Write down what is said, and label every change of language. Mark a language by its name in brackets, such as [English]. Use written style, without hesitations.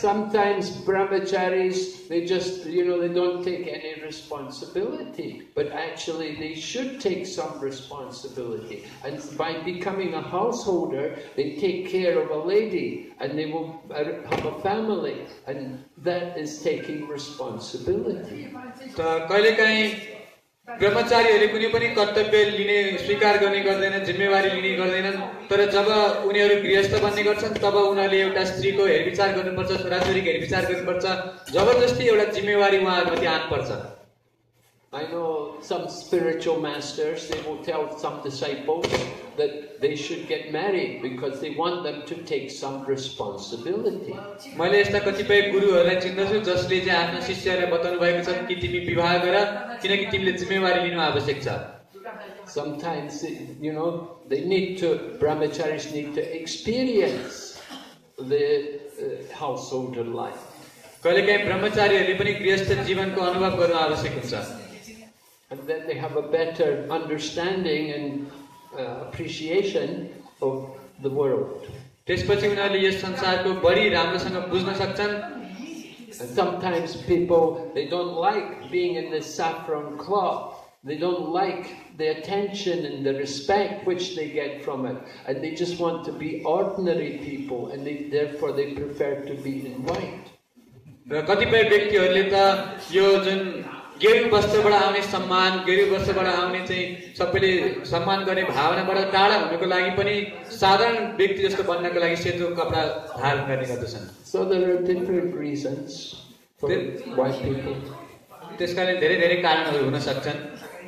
[English] Sometimes brahmacharis, they just, you know, they don't take any responsibility, but actually they should take some responsibility, and by becoming a householder they take care of a lady and they will have a family, and that is taking responsibility. [Nepali] Ta kahile kahi ब्रह्मचारीहरूले कुनै पनि कर्तव्य लिने स्वीकार गर्ने गर्दैनन्, जिम्मेवारी लिने गर्दैनन्, तर जब उनीहरू गृहस्थ बन्ने गर्छन् तब उनीहरूले एउटा स्त्रीको हेरविचार गर्नुपर्छ, छोराछोरीको हेरविचार गर्नुपर्छ, जबरजस्ती एउटा जिम्मेवारी उहाँहरूमाथि आन पर्छ. [English] I know some spiritual masters, they will tell some disciples that they should get married because they want them to take some responsibility. [Nepali] मैले यस्ता कतिपय गुरुहरूलाई चिन्दछु जसले चाहिँ आफ्नो शिष्यहरूलाई बताउनु भएको छ कि तिमी विवाह गर किनकि तिमीले जिम्मेवारी लिनु आवश्यक छ. [English] Sometimes you know they need to, brahmacharis need to experience the householder life. [Nepali] कहिले काहीँ ब्रह्मचारीहरूले पनि गृहस्थ जीवनको अनुभव गर्न आवश्यक हुन्छ. [English] And then they have a better understanding and appreciation of the world. [Nepali] त्यसपछि उनीहरूले यस संसारको बढी राम्रोसँग बुझ्न सक्छन्. [English] Sometimes people, they don't like being in this saffron cloth. They don't like the attention and the respect which they get from it, and they just want to be ordinary people, and therefore they prefer to be in white. [Nepali] कतिपय व्यक्तिहरूले त यो जुन गेरु वस्त्रबाट आउने सम्मान, गेरु वस्त्रबाट आउने चाहिँ सबैले सम्मान गर्ने भावनाबाट टाढा हुनको लागि पनि साधारण व्यक्ति जस्तो बन्नको लागि सेतो कपडा धारण गर्ने गर्दछन्. [English] So there are different reasons for why people. [Nepali] त्यसकारण धेरै धेरै कारणहरू हुन सक्छन्.